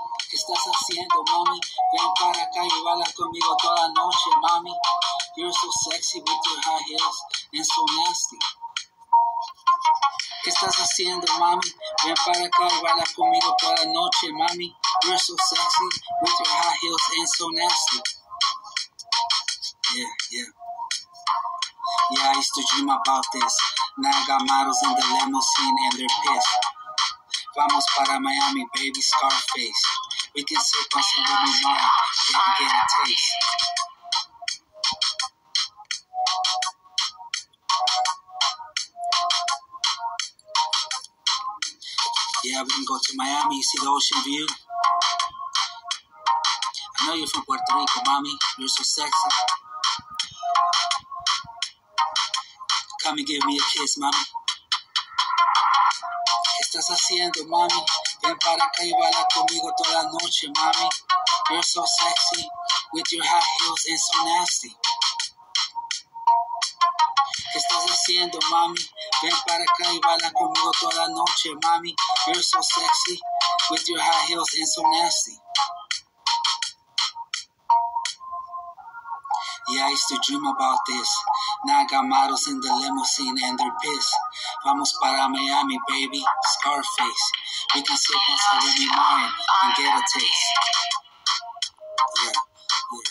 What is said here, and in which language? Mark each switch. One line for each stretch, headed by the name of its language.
Spanish: ¿Qué estás haciendo, mami? Ven para acá y baila conmigo toda la noche, mami.
English: You're so sexy with your high heels and so nasty.
Spanish: ¿Qué estás haciendo, mami? Ven para acá y baila conmigo toda la noche, mami.
English: You're so sexy with your high heels and so nasty. Yeah, yeah. Yeah, I used to dream about this. Now I got models in the limousine and they're pissed.
Spanish: Vamos para Miami,
English: baby, Scarface. We can sip on some of these wine, can't get a taste. Yeah, we can go to Miami, you see the ocean view? I know you're from Puerto Rico, mommy, you're so sexy. Come and give me a kiss, mommy.
Spanish: ¿Qué estás haciendo, mommy? Ven para acá y baila conmigo toda la noche, mommy.
English: You're so sexy with your high heels and so nasty.
Spanish: ¿Qué estás haciendo, mami? Ven para acá y baila conmigo toda la noche, mami.
English: You're so sexy with your high heels and so nasty. Yeah, I used to dream about this. Now I got models in the limousine and they're pissed.
Spanish: Vamos para Miami,
English: baby, Scarface. We can sip on some wine and get a taste. Yeah, yeah.